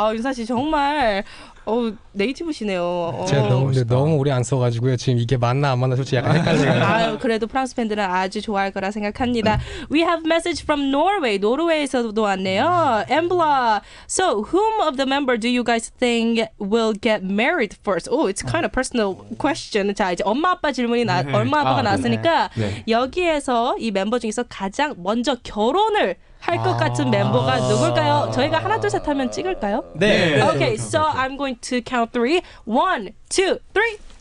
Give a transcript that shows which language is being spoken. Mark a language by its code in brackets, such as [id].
[ko] 아, 윤사 씨 정말 네이티브시네요. 제가 너무 오래 안 써가지고요. 지금 이게 맞나 안 맞나 솔직히 약간 헷갈려요. 아, 그래도 프랑스 팬들은 아주 좋아할 거라 생각합니다. [en] We have message from Norway. [ko] 노르웨이에서도 왔네요. [en] Embla. So, whom of the member do you guys think will get married first? Oh, it's kind of personal question. [ko] 자, 이제 엄마 아빠 질문이 엄마 아빠가 나왔으니까 네. 여기에서 이 멤버 중에서 가장 먼저 결혼을 할 것 같은 멤버가 누굴까요? 저희가 하나 둘 셋 하면 찍을까요? 네. [en] Okay, so I'm going to count three. One, two, three.